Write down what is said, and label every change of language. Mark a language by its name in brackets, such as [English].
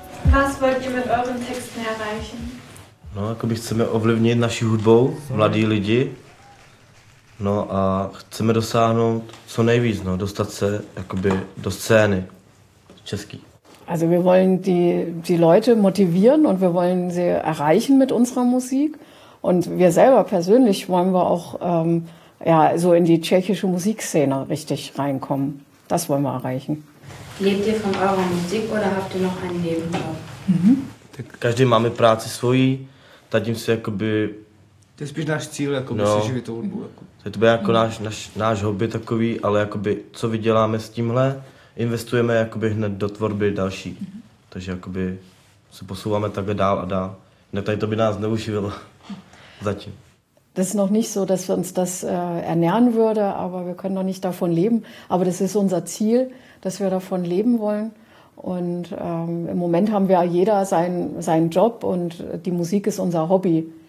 [German] Was wollt ihr mit euren Texten erreichen? [Czech] No, jakoby chceme ovlivnit naši hudbou, mladí lidi. No a chceme dosáhnout co nejvíc, no, dostat se jakoby do scény český. [German] Also wir wollen die Leute motivieren und wir wollen sie erreichen mit unserer Musik. Und wir selber persönlich wollen wir auch ja, so in die tschechische Musikszene richtig reinkommen. Das wollen wir erreichen. Lebt ihr von eurer Musik oder habt ihr noch ein Nebenjob? Mhm. [Czech] Každý máme práci svoji, tadím se jakoby... To je spíš náš cíl, jakoby no. Se živit hudbu. Jako. To je to jako náš hobby takový, ale jakoby, co vyděláme s tímhle, investujeme jakoby hned do tvorby další. Mm-hmm. Takže jakoby se posouváme takhle dál a dál. Ne, tady to by nás neuživilo zatím. [German] Das ist noch nicht so, dass wir uns das ernähren würde, aber wir können noch nicht davon leben. Aber das ist unser Ziel, dass wir davon leben wollen. Und im Moment haben wir jeder seinen Job und die Musik ist unser Hobby.